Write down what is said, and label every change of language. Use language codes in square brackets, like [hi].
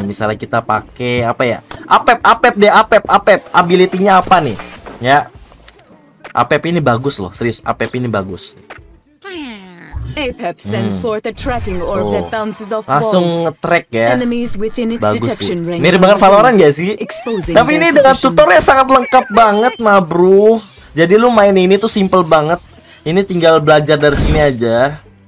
[id] Misalnya kita pakai apa ya? Apep. Ability-nya apa nih? Ya. Apep ini bagus loh, serius. Apep ini bagus. [en] Apep sends forth a tracking orb that bounces off walls. [id] Langsung nge-track ya. [en] Enemies within its bagus detection range. [id] Mirip banget Valorant gak sih? Tapi ini dengan tutorialnya sangat lengkap banget, Ma Bro. Jadi lu main ini tuh simple banget. Ini tinggal belajar dari sini aja.